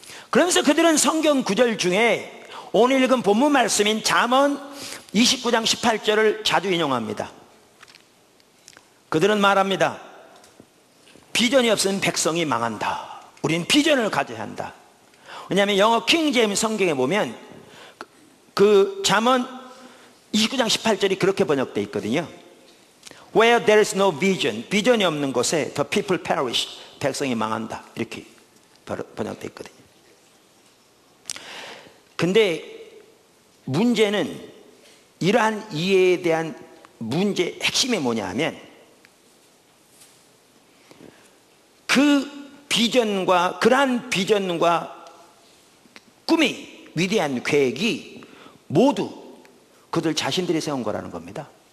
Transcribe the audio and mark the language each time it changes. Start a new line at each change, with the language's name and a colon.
Korean: 그러면서 그들은 성경 구절 중에 오늘 읽은 본문 말씀인 잠언 29장 18절을 자주 인용합니다. 그들은 말합니다. 비전이 없으면 백성이 망한다. 우린 비전을 가져야 한다. 왜냐하면 영어 킹제임스 성경에 보면 그 잠언 29장 18절이 그렇게 번역되어 있거든요.
English: Where there is no vision,
Korean: 비전이 없는 곳에
English: the people perish,
Korean: 백성이 망한다. 이렇게 번역되어 있거든요. 근데 문제는 이러한 이해에 대한 문제 핵심이 뭐냐 하면 그 비전과 그러한 비전과 꿈이 위대한 계획이 모두 그들 자신들이 세운 거라는 겁니다.